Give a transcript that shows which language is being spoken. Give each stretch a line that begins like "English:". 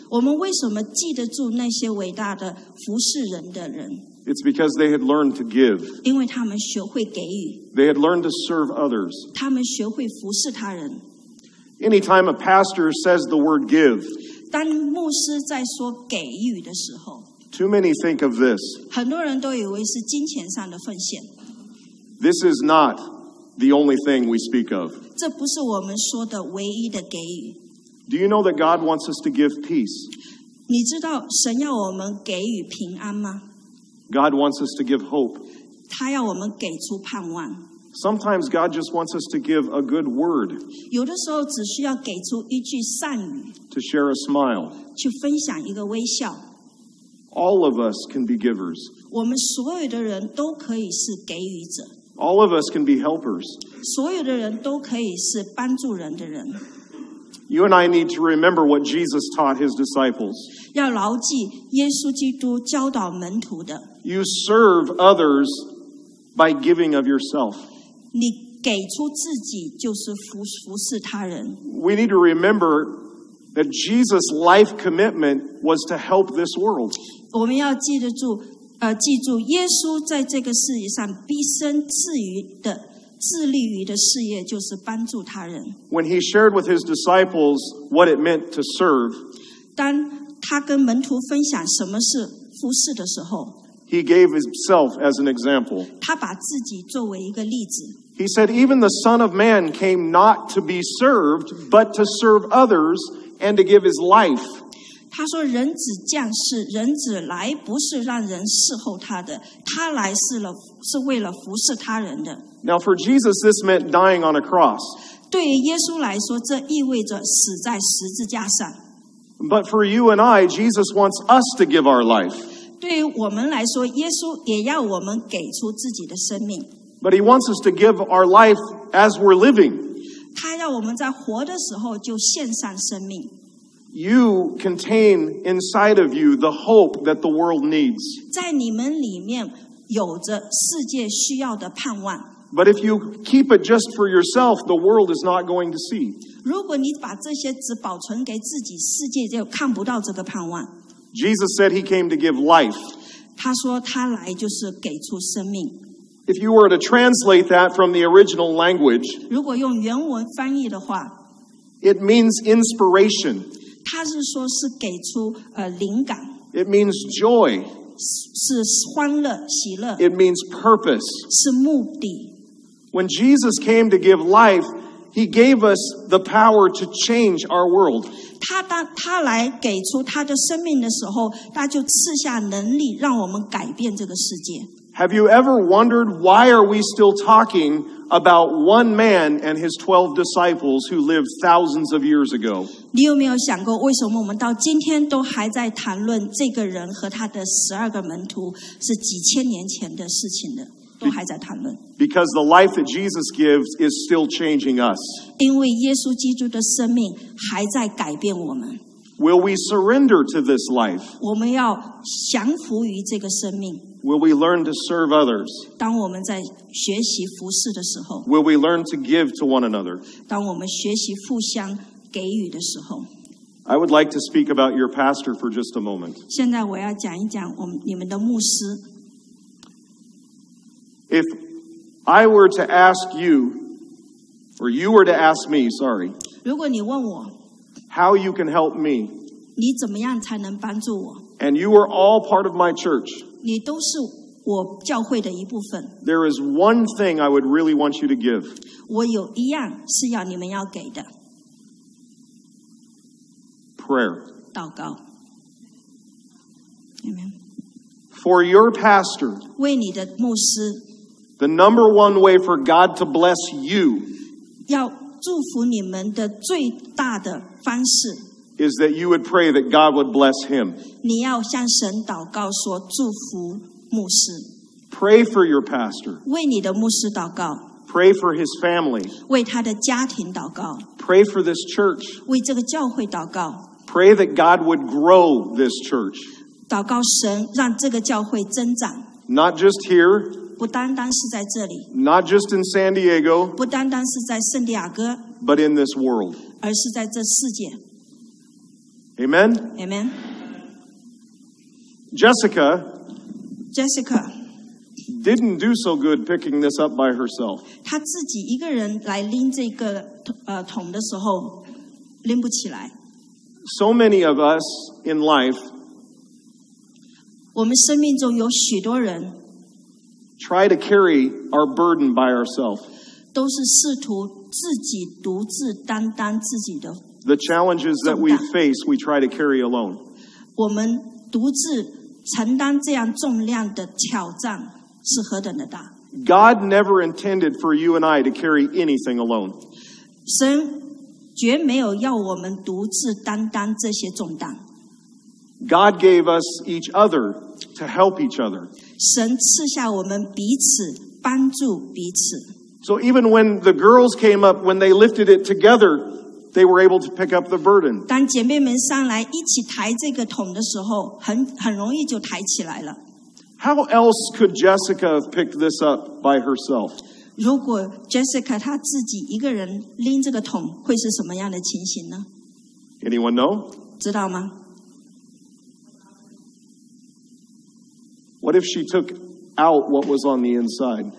Chinese: 我们为什么记得住那些伟大的服侍人的人？
English: It's because they had learned to give.
Chinese: 因为他们学会给予。
English: They had learned to serve others.
Chinese: 他们学会服侍他人。
English: Anytime a pastor says the word give,
Chinese: 当牧师在说给予的时候，
English: too many think of this.
Chinese: 很多人都以为是金钱上的奉献。
English: This is not the only thing we speak of.
Chinese: 这不是我们说的唯一的给予。
English: Do you know that God wants us to give peace?
Chinese: 你知道神要我们给予平安吗？
English: God wants us to give hope.
Chinese: 他要我们给出盼望。
English: Sometimes God just wants us to give a good word.
Chinese: 有的时候只需要给出一句善语。
English: To share a smile.
Chinese: 去分享一个微笑。
English: All of us can be givers.
Chinese: 我们所有的人都可以是给予者。
English: All of us can be helpers.
Chinese: 所有的人都可以是帮助人的人。
English: You and I need to remember what Jesus taught his disciples.
Chinese: 要牢记耶稣基督教导门徒的。
English: You serve others by giving of yourself.
Chinese: 你给出自己就是服侍他人。
English: We need to remember that Jesus' life commitment was to help this world.
Chinese: 我们要记得住记住耶稣在这个世界上毕生致力于的事业就是帮助他人。
English: When he shared with his disciples what it meant to serve,
Chinese: 当他跟门徒分享什么是服侍的时候，
English: he gave himself as an example.
Chinese: 他把自己作为一个例子。
English: He said, even the Son of Man came not to be served, but to serve others and to give his life.
Chinese: 他说人子降世，人子来不是让人侍候他的，他来是为了服侍他人的。
English: Now for Jesus, this meant dying on a cross.
Chinese: 对于耶稣来说，这意味着死在十字架上。
English: But for you and I, Jesus wants us to give our life.
Chinese: 对于我们来说，耶稣也要我们给出自己的生命。
English: But he wants us to give our life as we're living.
Chinese: 他要我们在活的时候就献上生命。
English: You contain inside of you the hope that the world needs.
Chinese: 在你们里面有着世界需要的盼望。
English: But if you keep it just for yourself, the world is not going to see.
Chinese: 如果你把这些只保存给自己，世界就看不到这个盼望。
English: Jesus said he came to give life.
Chinese: 他说他来就是给出生命。
English: If you were to translate that from the original language,
Chinese: 如果用原文翻译的话，
English: it means inspiration.
Chinese: 他是说是给出灵感。
English: It means joy.
Chinese: 是欢乐喜乐。
English: It means purpose.
Chinese: 是目的。
English: When Jesus came to give life, he gave us the power to change our world.
Chinese: 他来给出他的生命的时候，他就赐下能力让我们改变这个世界。
English: Have you ever wondered why are we still talking about one man and his 12 disciples who lived thousands of years ago?
Chinese: 你有没有想过为什么我们到今天都还在谈论这个人和他的12个门徒是几千年前的事情的，都还在谈论。
English: Because the life that Jesus gives is still changing us.
Chinese: 因为耶稣基督的生命还在改变我们。
English: Will we surrender to this life?
Chinese: 我们要降服于这个生命。
English: Will we learn to serve others?
Chinese: 当我们在学习服侍的时候。
English: Will we learn to give to one another?
Chinese: 当我们学习互相给予的时候。
English: I would like to speak about your pastor for just a moment.
Chinese: 现在我要讲一讲你们的牧师。
English: If I were to ask you, or you were to ask me, sorry.
Chinese: 如果你问我。
English: How you can help me.
Chinese: 你怎么样才能帮助我。
English: And you are all part of my church.
Chinese: 你都是我教会的一部分。
English: There is one thing I would really want you to give.
Chinese: 我有一样是要你们要给的。
English: Prayer.
Chinese: 祷告。
English: Amen. For your pastor.
Chinese: 为你的牧师。
English: The number one way for God to bless you.
Chinese: 要祝福你们的最大的方式。
English: Is that you would pray that God would bless him.
Chinese: 你要向神祷告说祝福牧师。
English: Pray for your pastor.
Chinese: 为你的牧师祷告。
English: Pray for his family.
Chinese: 为他的家庭祷告。
English: Pray for this church.
Chinese: 为这个教会祷告。
English: Pray that God would grow this church.
Chinese: 祷告神让这个教会增长。
English: Not just here.
Chinese: 不单单是在这里。
English: Not just in San Diego.
Chinese: 不单单是在圣地亚哥。
English: But in this world.
Chinese: 而是在这世界。
English: Amen. Amen. Jessica didn't do so good picking this up by herself.
Chinese: 她自己一个人来拎这个桶的时候，拎不起来。
English: So many of us in life,
Chinese: 我们生命中有许多人
English: try to carry our burden by ourselves.
Chinese: 都是试图自己独自担当自己的。
English: The challenges that we face, we try to carry alone.
Chinese: 我们独自承担这样重量的挑战是何等的大。
English: God never intended for you and I to carry anything alone.
Chinese: 神绝没有要我们独自担当这些重担。
English: God gave us each other to help each other.
Chinese: 神赐下我们彼此帮助彼此。
English: So even when the girls came up, when they lifted it together,They were able to pick up the burden.
Chinese: 当姐妹们上来一起抬这个桶的时候，很容易就抬起来了。
English: How else could Jessica have picked this up by herself?
Chinese: 如果 Jessica 她自己一个人拎这个桶，会是什么样的情形呢？
English: Anyone know?
Chinese: 知道吗？
English: What if she took out what was on the inside?